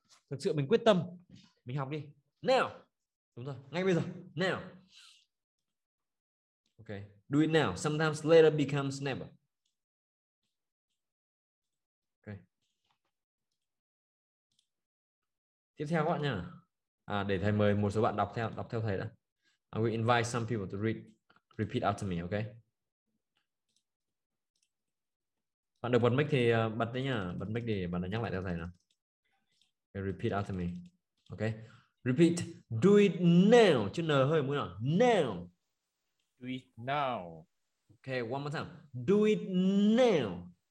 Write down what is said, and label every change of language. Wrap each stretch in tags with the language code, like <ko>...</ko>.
<vi>Thực sự mình quyết tâm. Mình học đi. Now. Đúng rồi, ngay bây giờ. Now.</vi> <en>Okay, do it now. Sometimes later becomes never. Okay.</en> <vi>Tiếp theo các bạn nhá. À để thầy mời một số bạn đọc theo thầy đã.</vi> <en>I will invite some people to repeat after me, okay?</en> <vi>Bạn được bật mic thì bật đấy nhá, bật mic để bạn nhắc lại cho thầy nào.</vi> <en>Okay, repeat after me. Okay. Repeat. Do it now.</en> <vi>Chữ N hơi mũi nào.</vi> <en>Now. Do it now. Okay, one more time. Do it now.</en>